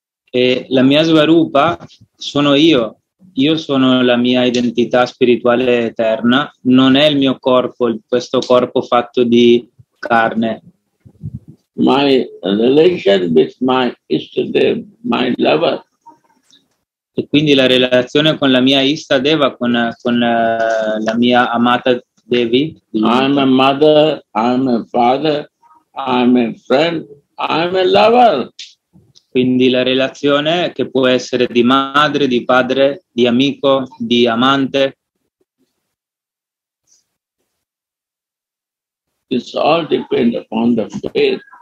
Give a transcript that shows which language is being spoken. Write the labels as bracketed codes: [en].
[it] E la mia svarupa sono io. Io sono la mia identità spirituale eterna, non è il mio corpo, questo corpo fatto di carne. [en] My relation with my Ishtadeva, my lover. [it] E quindi la relazione con la mia Ishtadeva, con la mia amata Devi. [en] I'm a mother, I'm a father, I'm a friend, I'm a lover. [it] Quindi la relazione che può essere di madre, di padre, di amico, di amante. [en] It's all depend upon the faith.